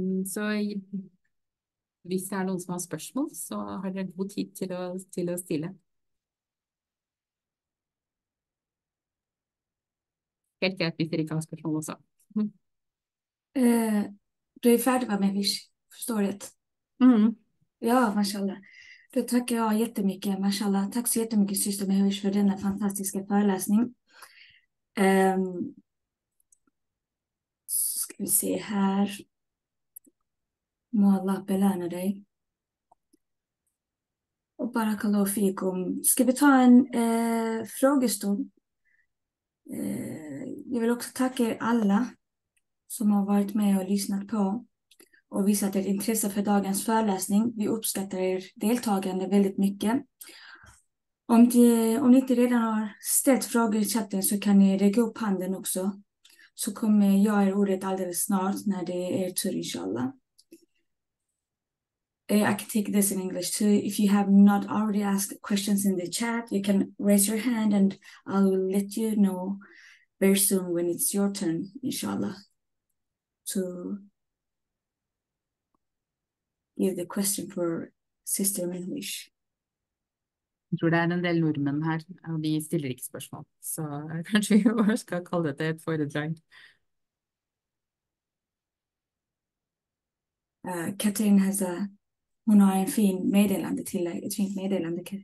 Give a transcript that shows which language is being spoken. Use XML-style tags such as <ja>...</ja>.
<no>Så hvis det er noen som har spørsmål, så har dere god tid til å stille. Helt greit hvis dere ikke har spørsmål også. Du er ferdig med meg, hvis jeg forstår det. Ja, mashallah. Da takker jeg jättemycket, mashallah. Takk så</no> <sv>jättemycket,</sv> <no>syster Mehvish, for denne fantastiske föreläsning.</no> <sv>Ska vi se her. Må Allah belöna dig. Och barakallahu fikum. Ska vi ta en frågestund? Jag vill också tacka alla som har varit med och lyssnat på och visat ett intresse för dagens föreläsning. Vi uppskattar er deltagande väldigt mycket. Om ni inte redan har ställt frågor i chatten så kan ni räcka upp handen också. Så kommer jag er ordet alldeles snart när det är er tur, inshallah.</sv> <en>I can take this in English too. If you have not already asked questions in the chat, you can raise your hand and I'll let you know very soon when it's your turn, inshallah, to give the question for Sister Minhwish.</en> <no>Jeg tror det er en del nordmenn her, og de stiller ikke spørsmål. Så kanskje vi bare skal kalle dette et foredrag. Katrin</no> <en>has a,</en> <no>hun har en fin meddelande til deg, et fint meddelande.</no>